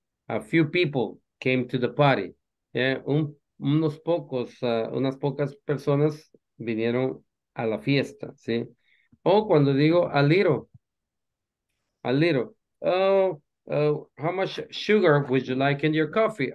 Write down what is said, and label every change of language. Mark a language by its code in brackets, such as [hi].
[en] A few people came to the party, ¿sí? [es] Unas pocas personas vinieron a la fiesta, ¿sí? O cuando digo [en] a little, how much sugar would you like in your coffee?